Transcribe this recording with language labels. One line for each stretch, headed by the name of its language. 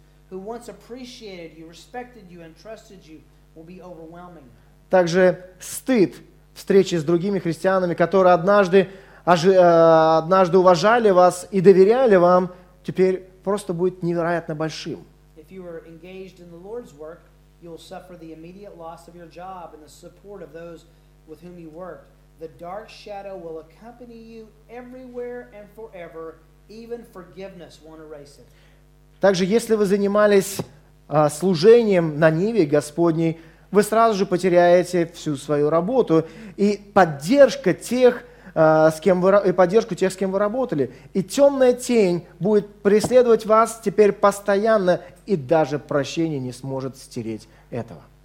English: Who once appreciated you, respected you, and trusted you will be overwhelming.
Russian: Также стыд встречи с другими христианами, которые однажды уважали вас и доверяли вам, теперь просто будет невероятно большим.
English: If you were engaged in the Lord's work, you'll suffer the immediate loss of your job and the support of those with whom you worked. The dark shadow will accompany you everywhere and forever. Even forgiveness won't erase it.
Russian: Также, если вы занимались служением на Ниве Господней, вы сразу же потеряете всю свою работу и поддержка тех, с кем вы работали. И темная тень будет преследовать вас теперь постоянно, и даже прощение не сможет стереть этого.